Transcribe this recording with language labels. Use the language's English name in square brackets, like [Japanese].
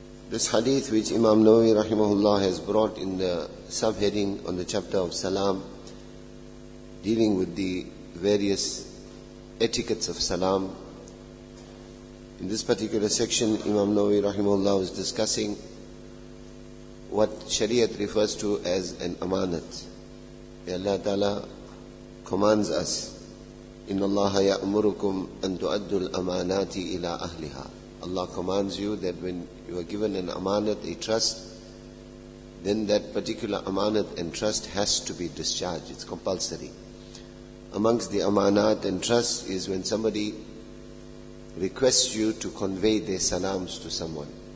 [English] This hadith which Imam Nawawi rahimahullah has brought in the subheading on the chapter of Salam, dealing with the various etiquettes of Salam. In this particular section, Imam Nawawi rahimahullah is discussing what Shariat refers to as an amanat. Allah Ta'ala commands us, [Arabic] إِنَّ اللَّهَ يَأْمُرُكُمْ أَن تُؤَدُّ الْأَمَانَاتِ إِلَىٰ أَهْلِهَا. [English] Allah commands you that when you are given an amanat, a trust, then that particular amanat and trust has to be discharged. It's compulsory. Amongst the amanat and trust is when somebody requests you to convey their salams to someone.